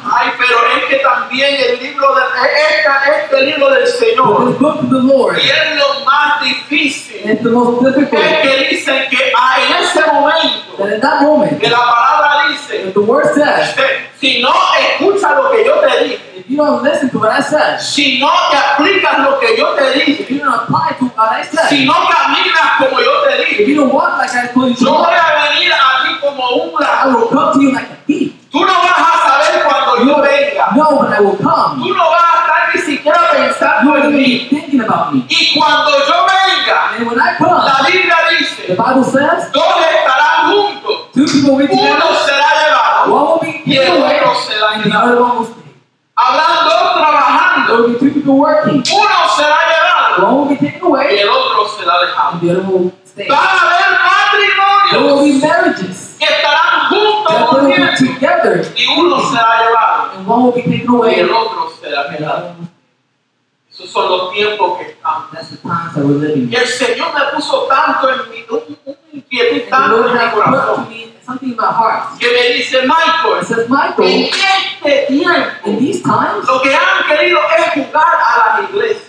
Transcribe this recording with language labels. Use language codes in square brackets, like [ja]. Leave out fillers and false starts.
[es] Ay, pero es que también el libro de este libro del Señor. [en] The book of the Lord. [es] Y es lo más difícil. [en] It's the most difficult. [es] Es que dice que en ese momento, [en] that in that moment, [es] que la palabra dice, [en] that the word says, [es] si no escucha lo que yo te dije. [en] You don't listen to what I said. [es] Si no te aplicas lo que yo te dije, [en] if you don't apply to what I said, [es] si no caminas como yo te dije, [en] if you don't walk like I told you, [es] yo voy a venir a ti como un ladrón. [en] I will come to you like a thief. [es] Tú no vas a saber cuando yo venga. [en] No, but I will come. [es] Tú no vas a estar ni siquiera pensando en mí. [en] Thinking about me. [es] Y cuando yo venga, [en] and when I come, [es] la Biblia dice, [en] The Bible says, [es] dos estarán juntos. [en] Two people will be together. [es] Uno será llevado. [en] One will be given away. [es] Y el otro será llevado. [en] And the other one will stay. [es] Habrán dos trabajando. [en] There will be two people working. [es] Uno será llevado. [en] One will be taken away. [es] Y el otro será dejado. [en] And the other will stay. [es] Va a haber matrimonios. [en] There will be marriages. [es] Que estarán juntos. [en] That will be together. [es] Y uno será llevado. [en] And one will be taken away. [es] Y el otro será llevado. Esos son los tiempos que estamos. [en] That's the times that we're living. [es] Y el Señor me puso tanto en mi inquietud, tanto en mi corazón, [en] in my heart. [es] Que me dice Michael, [en] it says, Michael, [es] en este tiempo, [en] in these times, [es] lo que han querido es jugar a la iglesia.